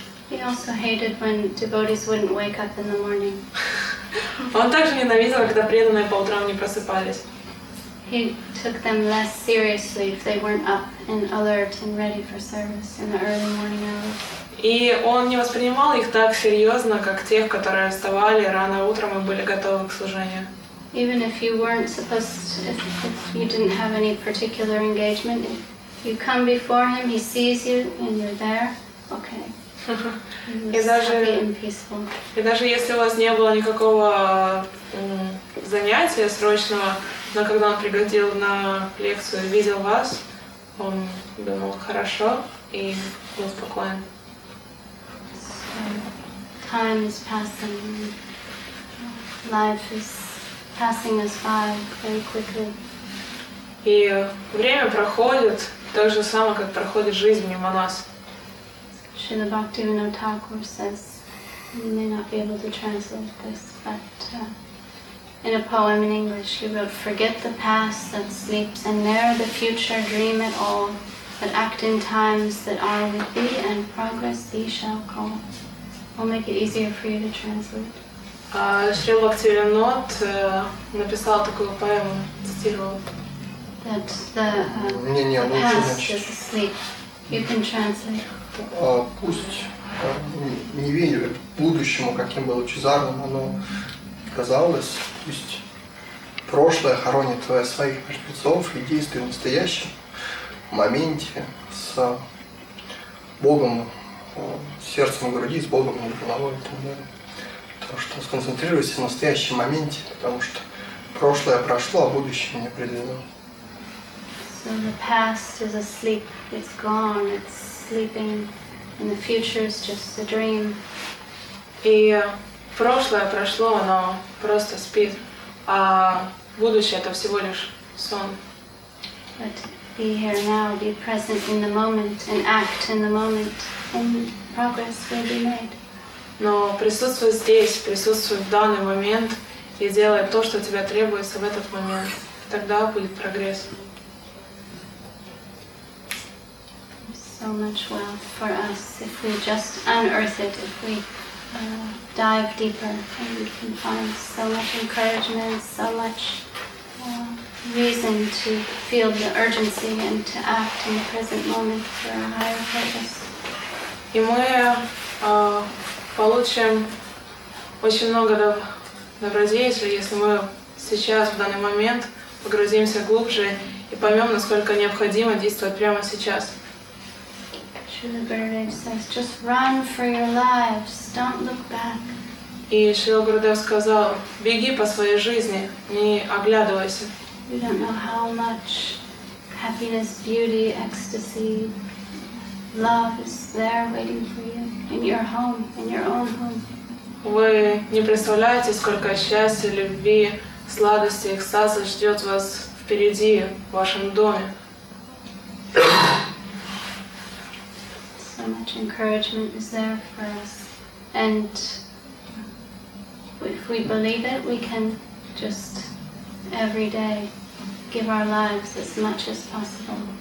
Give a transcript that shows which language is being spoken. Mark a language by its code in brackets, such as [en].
[en] He also hated when devotees wouldn't wake up in the morning. [ru] Он также ненавидел, когда преданные по утрам не просыпались. [en] He took them less seriously if they weren't up and alert and ready for service in the early morning hours. [ru] И он не воспринимал их так серьезно, как тех, которые вставали рано утром и были готовы к служению. [en] Even if you weren't supposed to, if you didn't have any particular engagement, if you come before him, he sees you and you're there, okay. [ru] И даже если у вас не было никакого занятия срочного, но когда он приходил на лекцию и видел вас, он думал хорошо и был спокоен. [en] Time is passing, life is passing us by very quickly. [ru] И время проходит так же само, как проходит жизнь мимо нас. [en] Srila Bhaktivinoda Thakur says, you may not be able to translate this, but in a poem in English, he wrote, "Forget the past that sleeps, and ne'er the future dream at all, but act in times that are with thee, and progress thee shall call." I'll make it easier for you to translate. [ru] Srila Bhaktivinoda написал такую поэму, цитировал. [en] That the past is asleep. You can translate. [ru] Пусть не верю будущему, каким бы лучезарным оно казалось, пусть прошлое хоронит твое своих мертвецов и действует в настоящем моменте с Богом, сердцем в груди, с Богом над головой и так далее. Потому что сконцентрируйся в настоящем моменте, потому что прошлое прошло, а будущее не определено. [en] So the past is asleep, it's gone, it's sleeping, and the future is just a dream. [ru] И прошлое прошло, оно просто спит, а будущее — это всего лишь сон. [en] But be here now, be present in the moment, and act in the moment, and progress will be made. [ru] Но присутствуй здесь, присутствуй в данный момент, и делай то, что тебя требуется в этот момент. Тогда будет прогресс. [en] So much wealth for us if we just unearth it, if we dive deeper, and we can find so much encouragement, so much reason to feel the urgency and to act in the present moment for a higher purpose. [ru] И мы получим очень много добродетелей, если мы сейчас, в данный момент, погрузимся глубже и поймем, насколько необходимо действовать прямо сейчас. [en] Srila Gurudev says, just run for your lives, don't look back. [ru] И Шрила Гурудев сказал, беги по своей жизни, не оглядывайся. [en] You don't know how much happiness, beauty, ecstasy, love is there waiting for you, in your home, in your own home. [ru] Вы не представляете, сколько счастья, любви, сладости, экстаза ждет вас в впереди в вашем доме. [en] So much encouragement is there for us, and if we believe it, we can just every day give our lives as much as possible.